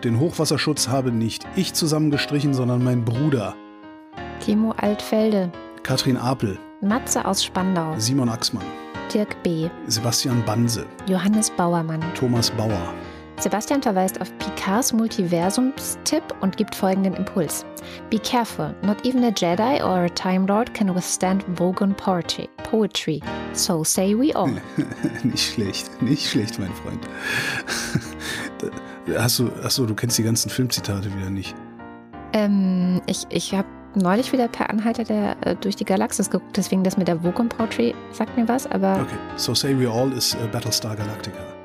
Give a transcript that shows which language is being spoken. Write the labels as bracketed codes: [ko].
[de] Den Hochwasserschutz habe nicht ich zusammengestrichen, sondern mein Bruder. Kimo Altfelde. Katrin Apel. Matze aus Spandau. Simon Axmann. Dirk B. Sebastian Banse. Johannes Bauermann. Thomas Bauer. Sebastian verweist auf Picards Multiversumstipp und gibt folgenden Impuls. [en] Be careful, not even a Jedi or a Time Lord can withstand Vogon Poetry. So say we all. [de] nicht schlecht, mein Freund. Achso, du kennst die ganzen Filmzitate wieder nicht. Ich hab neulich wieder per Anhalter durch die Galaxis geguckt, deswegen das mit der Vogon Poetry sagt mir was, aber... [en] Okay, so say we all is Battlestar Galactica.